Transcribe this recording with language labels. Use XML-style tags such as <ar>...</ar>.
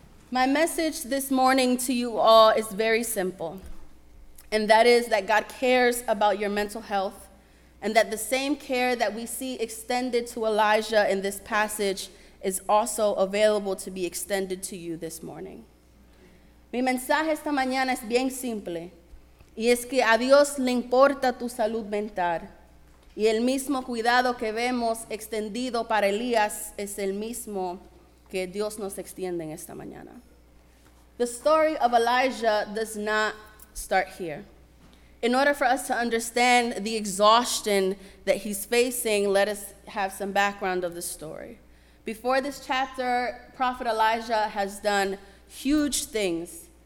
<en>My message this morning to you all is very simple, and that is that God cares about your mental health, and that the same care that we see extended to Elijah in this passage is also available to be extended to you this morning.</en> <es>Mi mensaje esta mañana es bien simple, y es que a Dios le importa tu salud mental, y el mismo cuidado que vemos extendido para Elías es el mismo que Dios nos extiende en esta mañana.</es> <en>The story of Elijah does not start here. In order for us to understand the exhaustion that he's facing, let us have some background of the story. Before this chapter, Prophet Elijah has done huge things.</en>